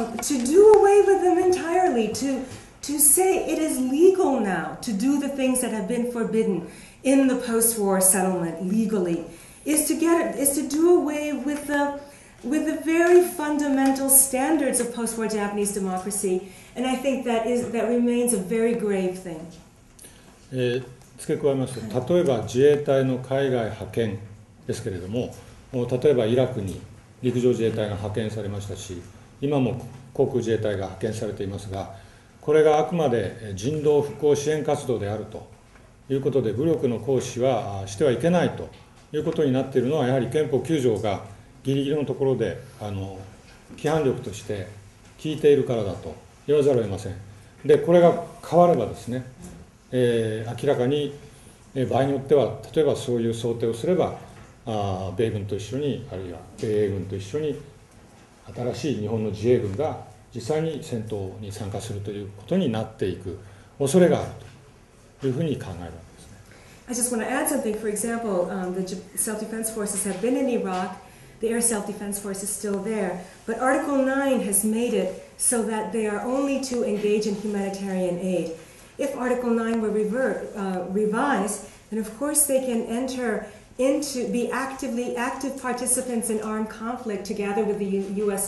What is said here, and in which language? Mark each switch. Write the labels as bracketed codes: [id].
[en] to do away with them entirely, to say it is legal now to do the things that have been forbidden in the post-war settlement legally, is to do away with the very fundamental standards of post-war Japanese democracy, and I think that remains a very grave thing. [ja] 付け加えますと、例えば自衛隊の海外派遣ですけれども、例えばイラクに陸上自衛隊が派遣されましたし、今も航空自衛隊が派遣されていますが、これがあくまで人道復興支援活動であるということで、武力の行使はしてはいけないということになっているのは、やはり憲法9条がギリギリのところで規範力として効いているからだと言わざるを得ません。で、これが変わればですね、明らかに場合によっては、例えばそういう想定をすれば、米軍と一緒に、あるいは米英軍と一緒に、新しい日本の自衛軍が実際に戦闘に参加するということになっていく恐れがあるというふうに考えるわけですね。 [en] I just want to add something. For example, the self-defense forces have been in Iraq. The air self-defense force is still there. But Article 9 has made it so that they are only to engage in humanitarian aid. If Article 9 were revised, then of course they can enter into, be actively active participants in armed conflict together with the U.S.